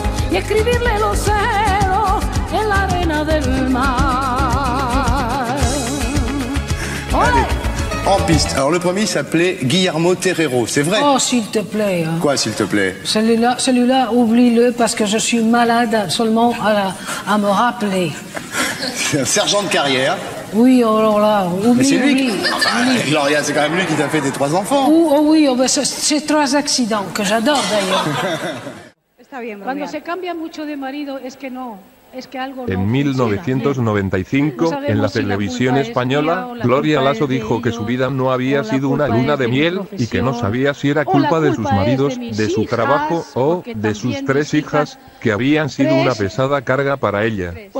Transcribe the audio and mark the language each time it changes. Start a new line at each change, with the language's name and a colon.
Spanish: Escribirle los ceros en la arena del mar.
French: ¡Ole! En piste. Alors le premier s'appelait Guillermo Terrero, c'est vrai? Oh, s'il te plaît. Hein. Quoi, s'il te plaît? Celui-là, oublie-le parce que je suis malade seulement à me rappeler. C'est un sergent de carrière. Oui, alors là, oublie. Mais c'est lui. Oui. Enfin, Gloria, c'est quand même lui qui t'a fait tes trois enfants. Oui, oh, ben, c'est trois accidents que j'adore d'ailleurs.
Spanish: Cuando se cambia mucho de marido es que no, es que algo no. En 1995, en la televisión española, Gloria Lasso dijo que su vida no había sido una luna de miel y que no sabía si era culpa de sus maridos, de su trabajo o de sus tres hijas, que habían sido una pesada carga para ella.